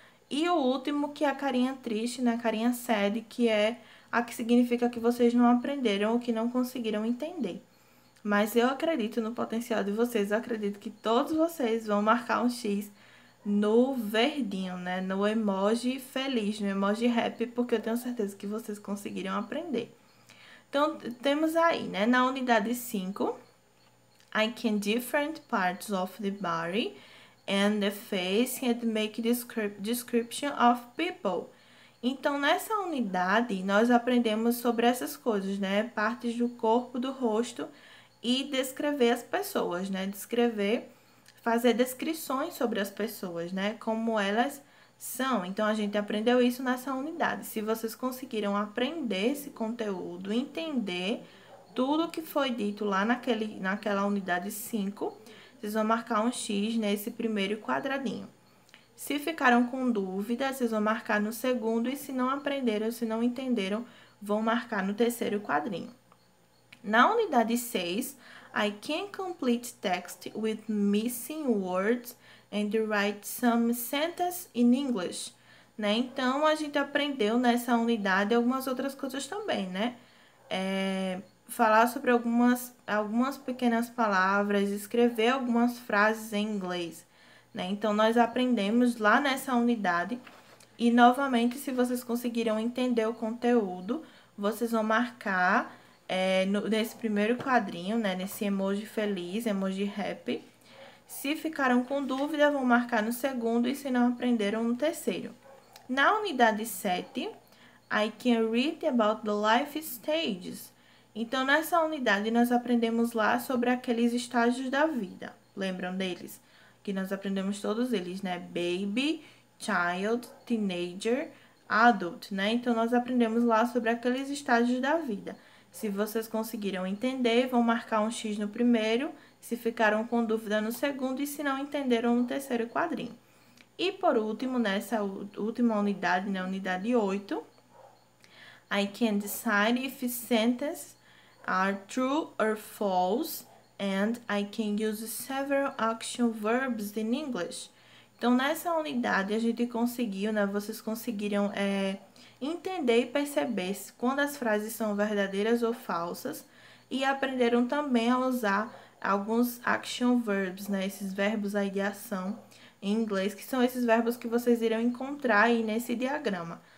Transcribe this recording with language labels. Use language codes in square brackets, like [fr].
[pt] E o último, que é a carinha triste, né? A carinha sad, que é a que significa que vocês não aprenderam ou que não conseguiram entender. Mas eu acredito no potencial de vocês. Eu acredito que todos vocês vão marcar um X no verdinho, né? No emoji feliz, no emoji happy, porque eu tenho certeza que vocês conseguiram aprender. Então, temos aí, né? Na unidade 5, [en] I can different parts of the body and the face and make description of people. [pt] Então, nessa unidade, nós aprendemos sobre essas coisas, né? Partes do corpo, do rosto e descrever as pessoas, né? Descrever, fazer descrições sobre as pessoas, né? Como elas são. Então, a gente aprendeu isso nessa unidade. Se vocês conseguiram aprender esse conteúdo, entender tudo que foi dito lá naquela unidade 5, vocês vão marcar um X nesse primeiro quadradinho. Se ficaram com dúvidas, vocês vão marcar no segundo. E se não aprenderam, se não entenderam, vão marcar no terceiro quadrinho. Na unidade 6, [en] I can complete text with missing words and write some sentences in English. [pt] Né? Então, a gente aprendeu nessa unidade algumas outras coisas também, né? Falar sobre algumas pequenas palavras, escrever algumas frases em inglês, né? Então, nós aprendemos lá nessa unidade. E, novamente, se vocês conseguiram entender o conteúdo, vocês vão marcar nesse primeiro quadrinho, né? Nesse emoji feliz, emoji happy. Se ficaram com dúvida, vão marcar no segundo e se não aprenderam, no terceiro. Na unidade 7, [en] I can read about the life stages. [pt] Então, nessa unidade, nós aprendemos lá sobre aqueles estágios da vida. Lembram deles? Que nós aprendemos todos eles, né? [en] Baby, child, teenager, adult, [pt] né? Então, nós aprendemos lá sobre aqueles estágios da vida. Se vocês conseguiram entender, vão marcar um X no primeiro. Se ficaram com dúvida, no segundo. E se não entenderam, no terceiro quadrinho. E, por último, nessa última unidade, né? Unidade 8, [en] I can decide if sentence are true or false, and I can use several action verbs in English. [pt] Então, nessa unidade, a gente conseguiu, né? Vocês conseguiram entender e perceber quando as frases são verdadeiras ou falsas, e aprenderam também a usar alguns [en] action verbs, [pt] né? Esses verbos aí de ação em inglês, que são esses verbos que vocês irão encontrar aí nesse diagrama.